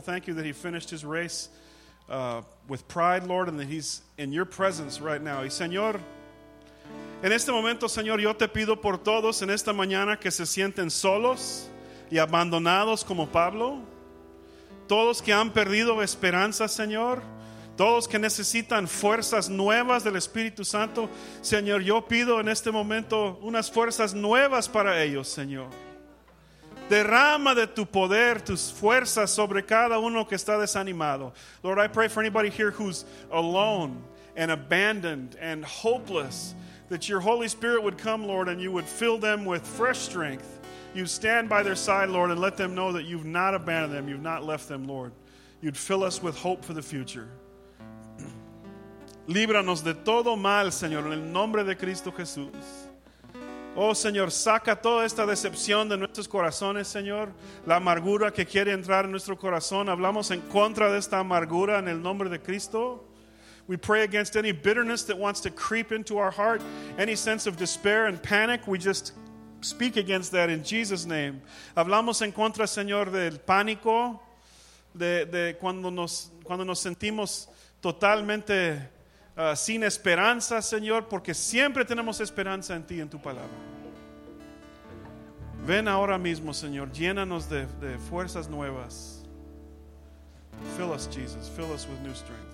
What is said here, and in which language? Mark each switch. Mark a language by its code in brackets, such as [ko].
[en] Thank you that he finished his race with pride, Lord, and that he's in your presence right now. [es] Y Señor, en este momento, Señor, yo te pido por todos en esta mañana que se sienten solos y abandonados como Pablo. Todos que han perdido esperanza, Señor. Todos que necesitan fuerzas nuevas del Espíritu Santo. Señor, yo pido en este momento unas fuerzas nuevas para ellos, Señor. Derrama de tu poder, tus fuerzas sobre cada uno que está desanimado. [en] Lord, I pray for anybody here who's alone and abandoned and hopeless, that your Holy Spirit would come, Lord, and you would fill them with fresh strength. You stand by their side, Lord, and let them know that you've not abandoned them. You've not left them, Lord. You'd fill us with hope for the future. [es] Líbranos de todo mal, Señor, en el nombre de Cristo Jesús. Oh, Señor, saca toda esta decepción de nuestros corazones, Señor. La amargura que quiere entrar en nuestro corazón. Hablamos en contra de esta amargura en el nombre de Cristo. [en] We pray against any bitterness that wants to creep into our heart. Any sense of despair and panic, we just speak against that in Jesus' name. [es] Hablamos en contra, Señor, del pánico, de cuando nos sentimos totalmente sin esperanza, Señor, porque siempre tenemos esperanza en ti, en tu palabra. Ven ahora mismo, Señor, llénanos de fuerzas nuevas. [en] Fill us, Jesus, fill us with new strength.